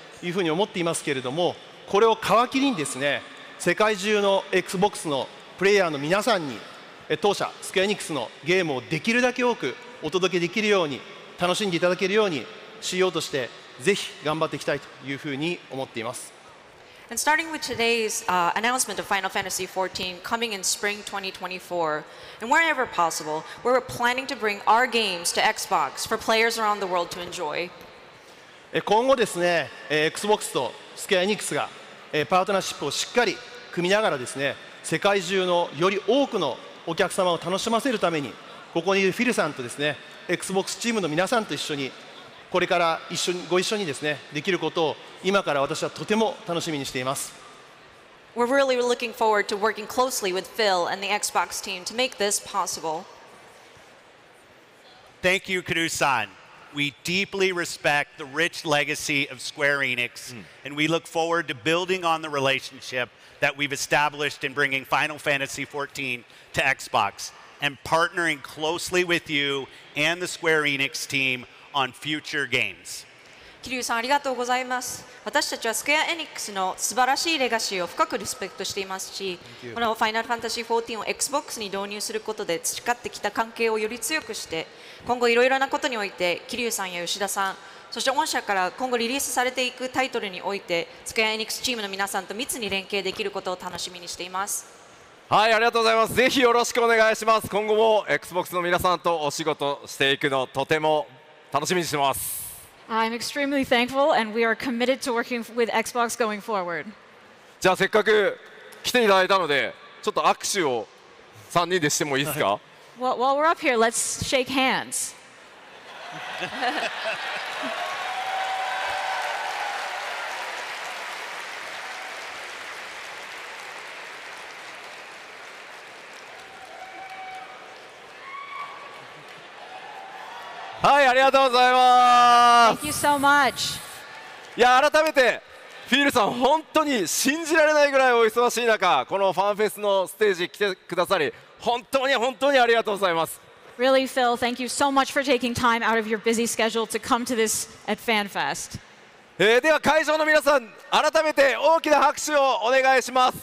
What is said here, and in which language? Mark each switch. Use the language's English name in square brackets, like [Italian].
[Japanese] というふうに思っていますけれども、これを皮切りにですね、世界中の Xbox のプレイヤーの皆さんに、当社、Square Enixのゲームをできるだけ多くお届けできるように、楽しんでいただけるように、CEO としてぜひ頑張っていきたいというふうに思っています。 [English] And starting with today's announcement of Final Fantasy XIV coming in spring 2024, and wherever possible, we're planning to bring our games to Xbox for players around the world to enjoy. [Japanese] 今後ですね、Xbox と Square Enix がパートナーシップをしっかり組みながらですね、世界中のより多くのお客様を楽しませるために、ここにいるフィルさんとですね、Xbox チームの皆さんと一緒に、これから一緒にご一緒にですね、できることを今から私はとても楽しみにしています。 [English] We're really looking forward to working closely with Phil and the Xbox team to make this possible. Thank you, Kudo-san. We deeply respect the rich legacy of Square Enix, and we look forward to building on the relationship that we've established in bringing Final Fantasy XIV to Xbox and partnering closely with you and the Square Enix team on future games. [Japanese] キリュウさん、ありがとうございます。私たちはスクエアエニックスの素晴らしいレガシーを深くリスペクトしていますし、このファイナルファンタジー14を Xbox に導入することで培ってきた関係をより強くして、今後いろいろなことにおいて、キリュウさんや吉田さん、そして御社から今後リリースされていくタイトルにおいて、スクエアエニックスチームの皆さんと密に連携できることを楽しみにしています。はい、ありがとうございます。ぜひよろしくお願いします。今後も Xbox の皆さんとお仕事していくのをとても楽しみにしています。 [English] I'm extremely thankful, and we are committed to working with Xbox going forward. [Japanese] じゃあせっかく来ていただいたので、ちょっと握手を3人でしてもいいですか [English] well, ？While we're up here, let's shake hands. [Japanese] はい、ありがとうございます。 [English] Thank you so much. [Japanese] いや、改めてフィールさん、本当に信じられないぐらいお忙しい中、このファンフェスのステージに来てくださり、本当に本当にありがとうございます。 [English] Really, Phil, thank you so much for taking time out of your busy schedule to come to this at FanFest. [Japanese] では会場の皆さん、改めて大きな拍手をお願いします。